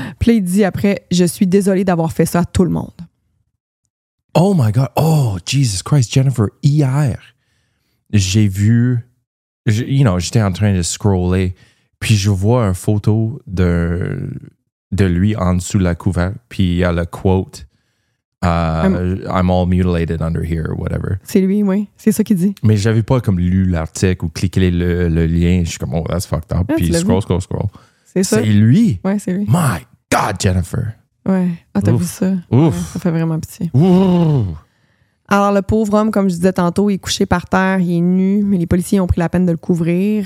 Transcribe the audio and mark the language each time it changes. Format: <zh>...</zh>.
<fr>Puis il dit après, je suis désolé d'avoir fait ça à tout le monde.</fr> <en>Oh my God!</en> <fr>Oh, Jesus Christ, Jennifer, hier, j'ai vu, j'étais en train de scroller, puis je vois une photo de lui en dessous de la couverture, puis il y a le quote.</fr> <en>I'm all mutilated under here, or whatever.</en> <fr>C'est lui, oui. C'est ça qu'il dit. Mais j'avais pas comme lu l'article ou cliqué le lien. Je suis comme, oh,</fr> <en>that's fucked up.</en> <fr>Ah, puis scroll. C'est ça. C'est lui. Ouais, c'est lui.</fr> <en>My God, Jennifer.</en> <fr>Ouais. Ah, t'as ouf. Vu ça? Ouf. Ouais, ça fait vraiment pitié. Ouf. Alors, le pauvre homme, comme je disais tantôt, il est couché par terre, il est nu, mais les policiers ont pris la peine de le couvrir.</fr>